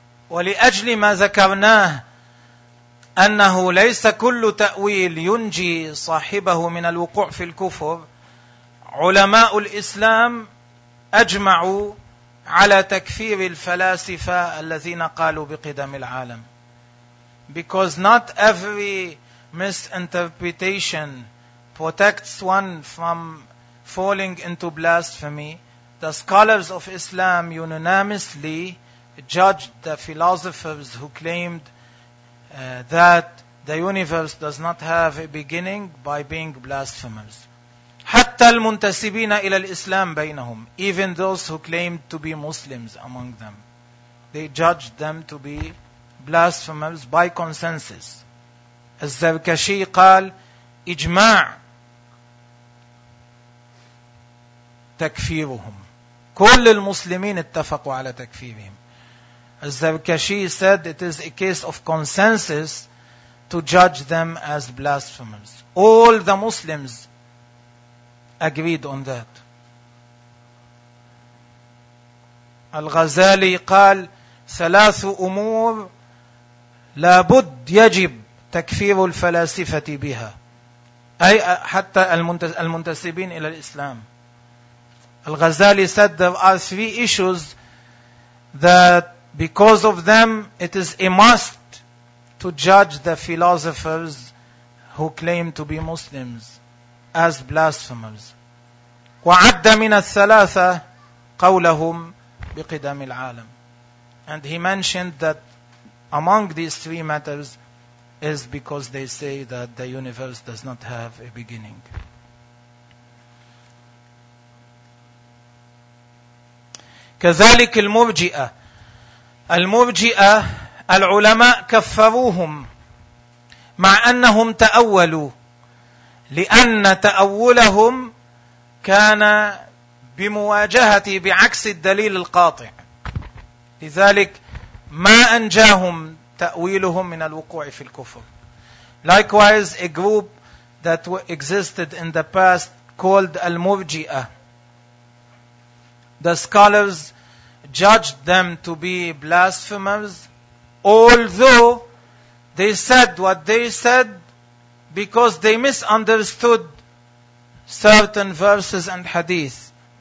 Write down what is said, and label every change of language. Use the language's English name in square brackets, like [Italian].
[Arabic] ولأجل ما ذكرناه أنه ليس كل تأويل ينجي صاحبه من الوقوع في الكفر علماء الإسلام أجمعوا على تكفير الفلاسفة الذين قالوا بقدم العالم. [English] Because not every misinterpretation protects one from falling into blasphemy, the scholars of Islam unanimously judged the philosophers who claimed that the universe does not have a beginning by being blasphemers. [Arabic] حتى حتى المنتسبين إلى الإسلام بينهم, [English] even those who claimed to be Muslims among them, they judged them to be blasphemers by consensus. [Arabic] الزركشي قال إجماع تكفيرهم. كل المسلمين اتفقوا على تكفيرهم. [English] الزركشي said it is a case of consensus to judge them as blasphemers. All the Muslims agreed on that. [Arabic] الغزالي قال ثلاث أمور لابد يجب تكفير الفلاسفة بها, أي حتى المنتسبين إلى الإسلام. [English] الغزالي said there are three issues that because of them it is a must to judge the philosophers who claim to be Muslims as blasphemers. [Arabic] وعد من الثلاثة قولهم بقدم العالم. [English] And he mentioned that among these three matters is because they say that the universe does not have a beginning. [Arabic] كذلك المرجئة. المرجئة العلماء كفروهم مع أنهم تأولوا, لأن تأولهم كان بمواجهة بعكس الدليل القاطع, لذلك ما أنجاهم تأويلهم من الوقوع في الكفر. [English] Likewise, a group that existed in the past called Al-Murji'ah, the scholars judged them to be blasphemers, although they said what they said because they misunderstood certain verses and hadith.